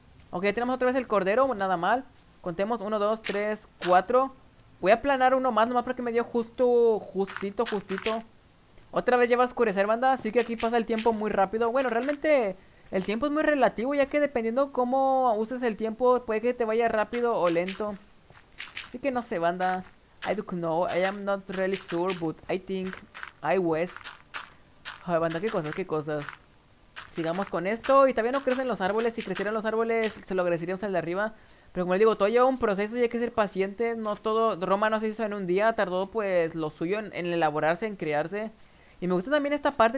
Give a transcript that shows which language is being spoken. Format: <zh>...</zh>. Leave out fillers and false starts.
<es>Ok, ya tenemos otra vez el cordero, nada mal. Contemos uno, dos, tres, cuatro. Voy a aplanar uno más, nomás porque me dio justo, justito, justito. Otra vez lleva a oscurecer, banda. Así que aquí pasa el tiempo muy rápido. Bueno, realmente el tiempo es muy relativo, ya que dependiendo cómo uses el tiempo, puede que te vaya rápido o lento. Así que no sé, banda.</es> <en>I don't know. I am not really sure, but I think I was.</en> <es>Ay, banda, qué cosas, qué cosas. Sigamos con esto. Y todavía no crecen los árboles. Si crecieran los árboles, se lo agradeceríamos al de arriba. Pero como les digo, todo lleva un proceso y hay que ser paciente. No todo. Roma no se hizo en un día. Tardó, pues, lo suyo en elaborarse, en criarse. Y me gusta también esta parte.</es>